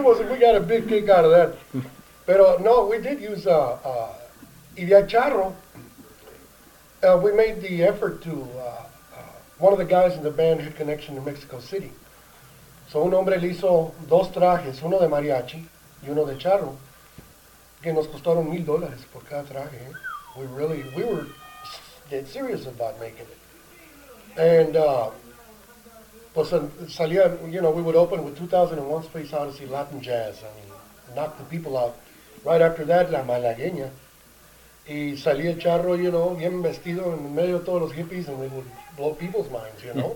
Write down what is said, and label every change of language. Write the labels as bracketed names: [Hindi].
[English] we got a big kick out of that. [Spanish] Pero, no, [English] we did use Idea Charro. We made the effort to, one of the guys in the band had connection to Mexico City. [Spanish] So un hombre le hizo dos trajes, uno de mariachi y uno de charro, que nos costaron $1,000 por cada traje. [English] We were dead serious about making it. And, [Spanish] pues salía, [English] you know, we would open with 2001 Space Odyssey Latin Jazz. I mean, knock the people out. Right after that, La Malagueña. [Spanish] Y salía charro, [English] you know, [Spanish] bien vestido en medio de todos los hippies, [English] and we would blow people's minds, you know.